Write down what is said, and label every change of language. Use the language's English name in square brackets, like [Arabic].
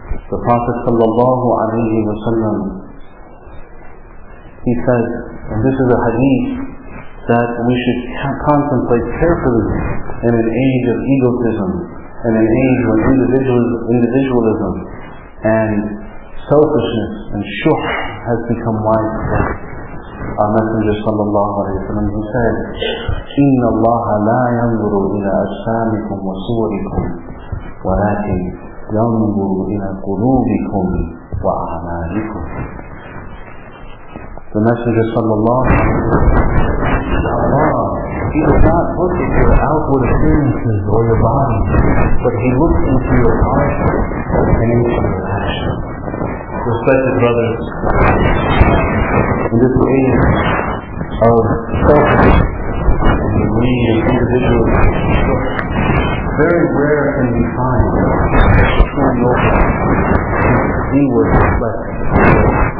[English] The Prophet sallallahu alayhi wa sallam, he said, and this is a hadith, that we should contemplate carefully in an age of egotism, in an age when individualism and selfishness and shuh has become widespread. Our Messenger sallallahu alayhi wa sallam, he said, [Arabic] إِنَّ اللَّهَ لَا يَنْظُرُ إِلَىٰ أَجْسَامِكُمْ وَصُورِكُمْ وَلَكِنْ يَنْظُرُ إِلَىٰ قُلُوبِكُمْ وَأَعْمَالِكُمْ. [English] The Messenger sallallahu alayhi wa sallam, Allah, He does not look at your outward appearances or your body, but He looks into your heart and into your actions. Respected brothers, in this age of selfishness, in the need of individual very rare can we find a true noble, inward reflect